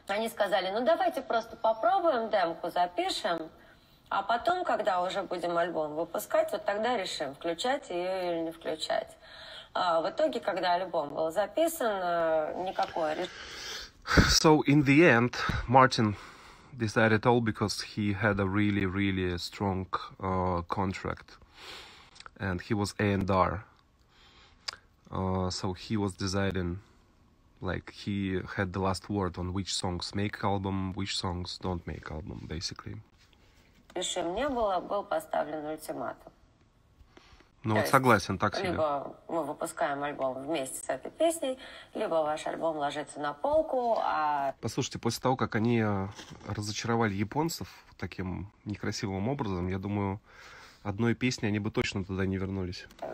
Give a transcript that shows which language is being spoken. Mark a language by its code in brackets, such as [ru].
[ru] Они сказали, ну давайте просто попробуем демку, запишем, а потом, когда уже будем альбом выпускать, вот тогда решим, включать ее или не включать. А в итоге, когда альбом был записан, никакой решения. [en] So in the end, Martin... decided all because he had a really, really strong contract and he was A&R. So he was deciding, like, he had the last word on which songs make album, which songs don't make album, basically. [ru] Пиши, мне был поставлен ультиматум. Ну, вот согласен, так себе. Либо мы выпускаем альбом вместе с этой песней, либо ваш альбом ложится на полку, а... Послушайте, после того, как они разочаровали японцев таким некрасивым образом, я думаю, одной песни они бы точно туда не вернулись.